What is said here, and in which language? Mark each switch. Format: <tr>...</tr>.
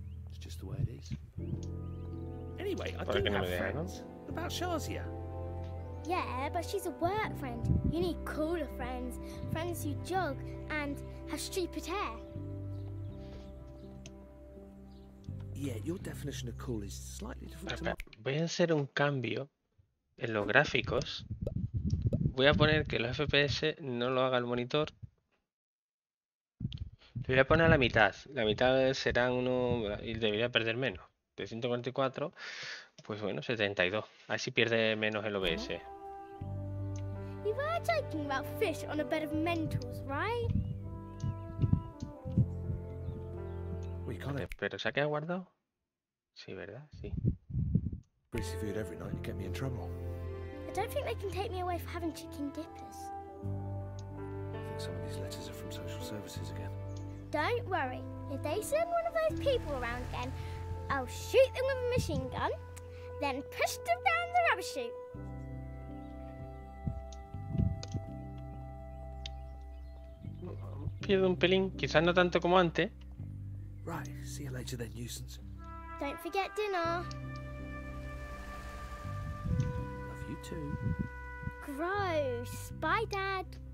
<en>It's just the way it is. Anyway, I do have friends. What about Shazia? Yeah, but she's a work friend. You need cooler friends. Friends who jog and have stupid hair. Yeah, your definition of cool is slightly different.</en> <es>Voy a hacer un cambio en los gráficos. Voy a poner que los FPS no lo haga el monitor. Lo voy a poner a la mitad. La mitad será uno y debería perder menos. De 144, pues bueno, 72. Así pierde menos el OBS.</es> <en>You were joking about fish on a bed of mentals, right? We got it.</en> <es>Pero se ha quedado guardado. Sí, verdad, sí.</es> <en>Greasy food every night to get me in trouble. I don't think they can take me away for having chicken dippers. I think some of these letters are from social services again. Don't worry. If they send one of those people around again, I'll shoot them with a machine gun, then push them down the rubber chute.</en> <es>Pierde un pelín, quizás no tanto como antes.</es> <en>Right, see you later then, nuisance. Don't forget dinner. Love you too. Gross. Bye, Dad.</en>